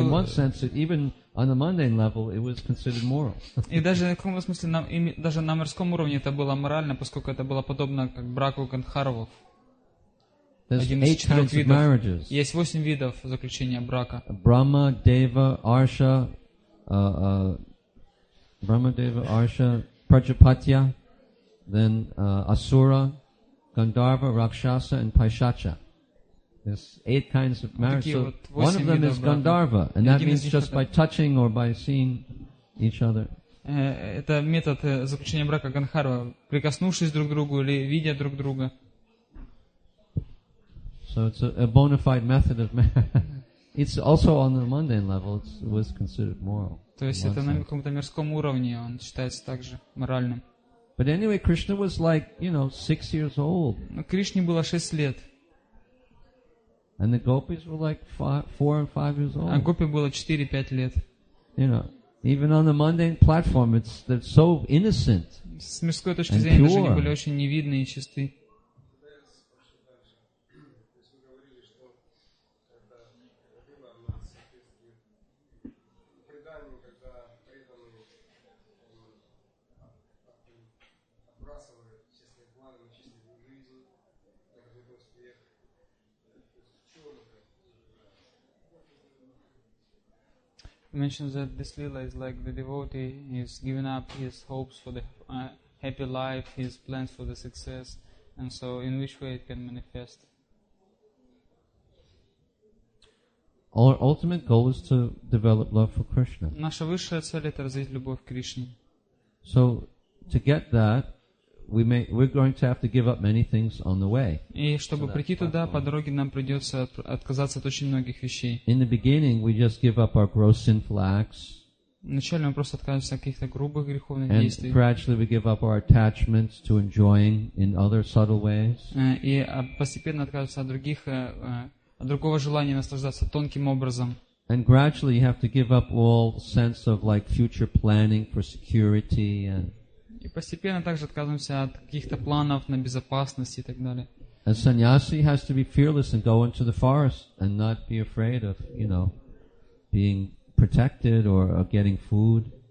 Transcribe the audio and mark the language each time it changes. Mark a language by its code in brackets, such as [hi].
[en] in one sense, even on the mundane level, it was considered moral. [ru] И даже в каком-то смысле даже на мирском уровне это было морально, поскольку это было подобно как браку Гандхарвов. [en] There's eight kinds of marriages. [ru] Есть 8 видов заключения брака. [en] Brahma, Deva, Arsha, Brahma, Deva, Arsha, Prajapatya, then Asura, Gandharva, Rakshasa, and Paishacha. There's eight kinds of marriage. So one of them is Gandharva, and that means just by touching or by seeing each other. [ru] Это метод заключения брака Ганхарва, прикоснувшись друг к другу или видя друг друга. [en] So it's a bona fide method of marriage. It's also on the mundane level, it was considered moral. [ru] То есть это на каком-то мирском уровне он считается также моральным. [en] But anyway, Krishna was like, you know, 6 years old. [ru] Но Кришне было 6 лет. [en] And the gopis were like 4 and 5 years old. [ru] А гопи было 4-5 лет. [en] You know, even on the mundane platform, it's they're so innocent. [ru] С мирской точки зрения даже они были очень невидны и чисты. [en] Mentions that this lila is like the devotee is giving up his hopes for the happy life, his plans for the success, and so in which way it can manifest. Our ultimate goal is to develop love for Krishna. [ru] Наша высшая цель это развить любовь к Кришне. [en] So to get that, we're going to have to give up many things on the way. [ru] И чтобы прийти туда, по дороге нам придется отказаться от очень многих вещей. [en] In the beginning, we just give up our gross sinful acts. [ru] Вначале мы просто отказываемся от каких-то грубых греховных действий. [en] And gradually we give up our attachments to enjoying in other subtle ways. [ru] И постепенно отказываемся от другого желания наслаждаться тонким образом. [en] And gradually you have to give up all sense of like future planning for security and. [ru] И постепенно также отказываемся от каких-то планов на безопасность и так далее. [en] A sannyasi has to be fearless and go into the forest and not be afraid of, you know, being protected or getting food.